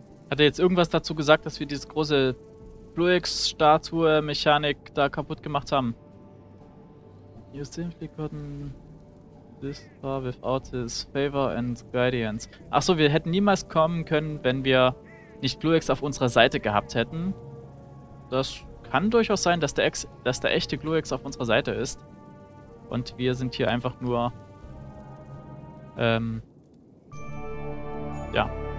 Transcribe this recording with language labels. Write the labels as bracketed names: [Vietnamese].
[German] Hat er jetzt irgendwas dazu gesagt, dass wir dieses große Bluex-Statue-Mechanik da kaputt gemacht haben. [English] You simply couldn't this far without his favor and guidance. [German] Achso, wir hätten niemals kommen können, wenn wir nicht Bluex auf unserer Seite gehabt hätten. Das kann durchaus sein, dass der echte Bluex auf unserer Seite ist. Und wir sind hier einfach nur ja.